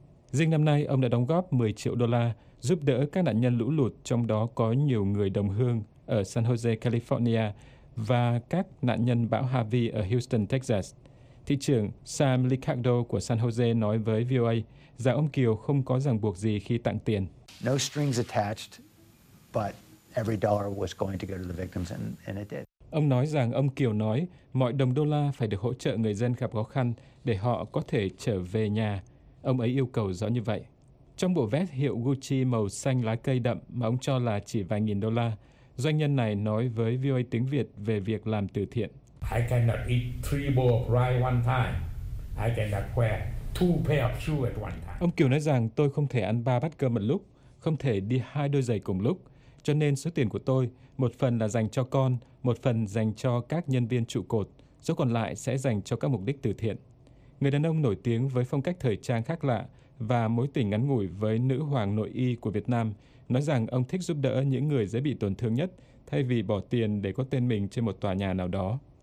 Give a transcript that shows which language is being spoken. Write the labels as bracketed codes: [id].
[vi] Riêng năm nay, ông đã đóng góp 10 triệu đô la giúp đỡ các nạn nhân lũ lụt, trong đó có nhiều người đồng hương ở San Jose, California, và các nạn nhân bão Harvey ở Houston, Texas. Thị trưởng Sam Licardo của San Jose nói với VOA rằng ông Kiều không có ràng buộc gì khi tặng tiền. [en] No strings attached, but every dollar was going to go to the victims, and it did. [vi] Ông nói rằng ông Kiều nói mọi đồng đô la phải được hỗ trợ người dân gặp khó khăn để họ có thể trở về nhà. Ông ấy yêu cầu rõ như vậy. Trong bộ vest hiệu Gucci màu xanh lá cây đậm mà ông cho là chỉ vài nghìn đô la, doanh nhân này nói với VOA tiếng Việt về việc làm từ thiện. [en] I cannot eat three bowls of rice one time. I cannot wear two pair of shoes at one time. [vi] Ông Kiều nói rằng tôi không thể ăn ba bát cơm một lúc, không thể đi hai đôi giày cùng lúc. Cho nên số tiền của tôi, một phần là dành cho con, một phần dành cho các nhân viên trụ cột, số còn lại sẽ dành cho các mục đích từ thiện. Người đàn ông nổi tiếng với phong cách thời trang khác lạ và mối tình ngắn ngủi với nữ hoàng nội y của Việt Nam nói rằng ông thích giúp đỡ những người dễ bị tổn thương nhất thay vì bỏ tiền để có tên mình trên một tòa nhà nào đó.